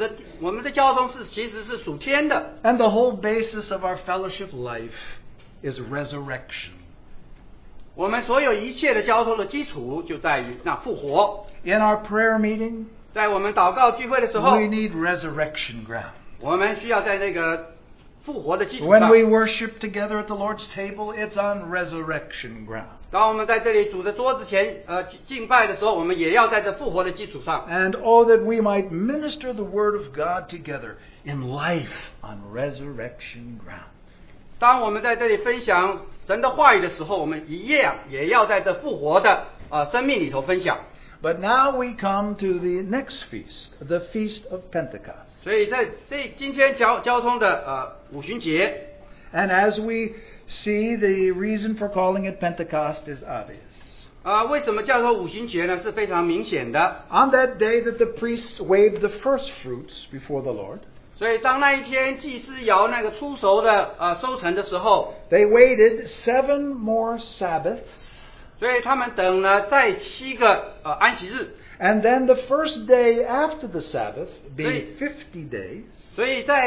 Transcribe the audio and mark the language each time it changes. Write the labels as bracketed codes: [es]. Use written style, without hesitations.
[zh] 虽然我们好像在地上这样的交通，但是我们的交通其实是属天的。 [en] And the whole basis of our fellowship life is resurrection. [zh] 我们所有一切的交通的基础就在于那复活。 [en] In our prayer meeting, [zh] 在我们祷告聚会的时候, [en] we need resurrection ground. [zh] 我们需要在那个 [en] When we worship together at the Lord's table, it's on resurrection ground. [zh] 当我们在这里主的桌子前敬拜的时候，我们也要在这复活的基础上。 [en] And oh, that we might minister the word of God together in life on resurrection ground. [zh] 当我们在这里分享神的话语的时候，我们一样也要在这复活的生命里头分享。 [en] But now we come to the next feast, the Feast of Pentecost. [zh] 所以在今天交通的五旬节。 [en] And as we see, the reason for calling it Pentecost is obvious. [zh] 为什么叫做五旬节呢?是非常明显的。 [en] On that day that the priests waved the first fruits before the Lord, [zh] 所以当那一天祭司摇那个初熟的收成的时候, [en] they waited 7 more Sabbaths, [zh] 所以他们等了再七个安息日。 [en] And then the first day after the Sabbath, being 50 days,